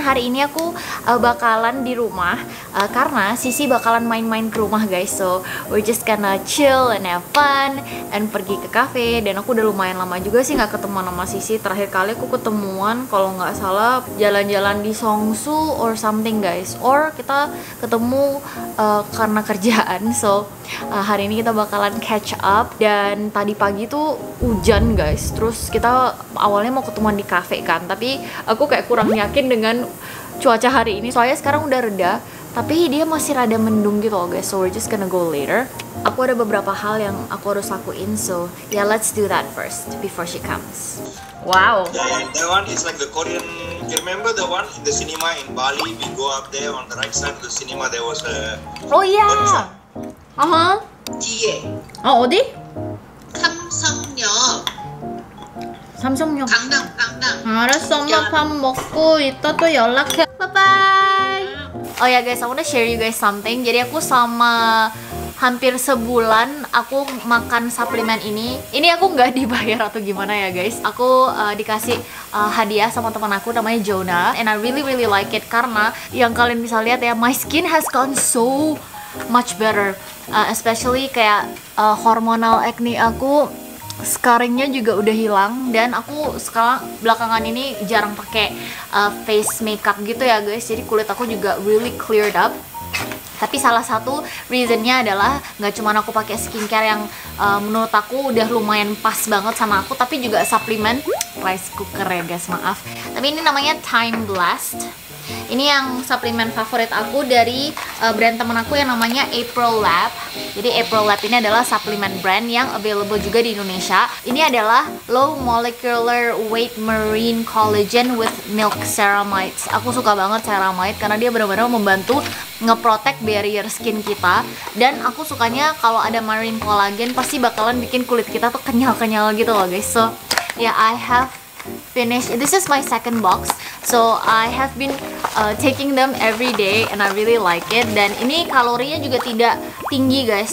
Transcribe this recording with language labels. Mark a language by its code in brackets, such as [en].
[id] Hari ini aku bakalan di rumah karena Sisi bakalan main-main ke rumah, guys. [en] So, we're just gonna chill and have fun and pergi ke cafe. [id] Dan aku udah lumayan lama juga sih enggak ketemu sama Sisi. Terakhir kali aku ketemuan kalau enggak salah jalan-jalan di Songsu or something, guys. Or kita ketemu karena kerjaan. So, hari ini kita bakalan catch up. Dan tadi pagi tuh hujan, guys. Terus kita awalnya mau ketemuan di cafe kan, tapi aku kayak kurang yakin dengan cuaca hari ini. Soalnya sekarang udah reda, tapi dia masih rada mendung gitu loh, guys. So we're just gonna go later. Aku ada beberapa hal yang aku harus lakuin. [en] So yeah, let's do that first before she comes. Wow. Yeah, yeah. That one is like the Korean. You remember the one in the cinema in Bali? We go up there on the right side of the cinema. There was a. Oh yeah. Yeah. [ko] Oh, 어디? 삼성역. 삼성역. 강남. 알았어, 엄마 밥 먹고 이따 또 연락해. [en] Bye bye. Oh ya, guys, I wanna share you guys something. [id] Jadi aku sama hampir sebulan aku makan suplemen ini. Ini aku nggak dibayar atau gimana ya, guys. Aku dikasih hadiah sama teman aku namanya Jonah. [en] And I really really like it karena yang kalian bisa lihat ya, my skin has gone so much better. [id] Especially kayak hormonal acne aku. Scarringnya juga udah hilang dan aku sekarang belakangan ini jarang pakai face makeup gitu ya, guys. Jadi kulit aku juga really cleared up. Tapi salah satu reasonnya adalah nggak cuma aku pakai skincare yang menurut aku udah lumayan pas banget sama aku, tapi juga suplemen rice cooker ya, guys. Maaf. Tapi ini namanya Time Blast. Ini yang suplemen favorit aku dari brand temen aku yang namanya April Lab. Jadi April Lab ini adalah suplemen brand yang available juga di Indonesia. [en] Ini adalah low molecular weight marine collagen with milk ceramides. [id] Aku suka banget ceramide karena dia benar-benar membantu ngeprotect barrier skin kita. Dan aku sukanya kalau ada marine collagen pasti bakalan bikin kulit kita tuh kenyal-kenyal gitu loh, guys. [en] So, yeah, I have finished. This is my second box. So I have been taking them every day and I really like it. [id] Dan ini kalorinya juga tidak tinggi, guys.